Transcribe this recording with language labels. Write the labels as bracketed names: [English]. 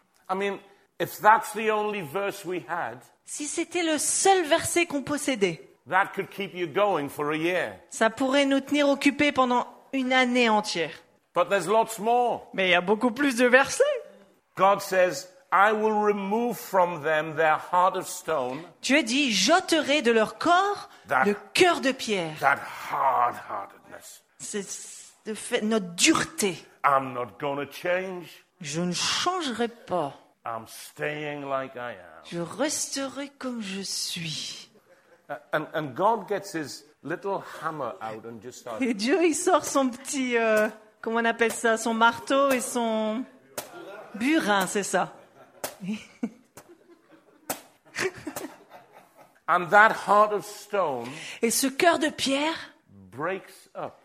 [English] I mean, if that's the only verse we had, [French] si c'était le seul verset qu'on possédait, [English] that could keep you going for a year. [French] Ça pourrait nous tenir occupés pendant une année entière. [English] But there's lots more. [French] Mais il y a beaucoup plus de versets. [English] God says, I will remove from them their heart of stone. [French] Dieu dit, j'ôterai de leur corps le cœur de pierre. [English] That hard-heartedness. [French] C'est de fait notre dureté. [English] I'm not going to change. [French] Je ne changerai pas. [English] I'm staying like I am. [French] Je resterai comme je suis. [English] And God gets his little hammer out and just starts. [French] Et Dieu, il sort son petit, comment on appelle ça, son marteau et son burin, c'est ça. [English] And that heart of stone. [French] Et ce cœur de pierre. [English] Breaks up.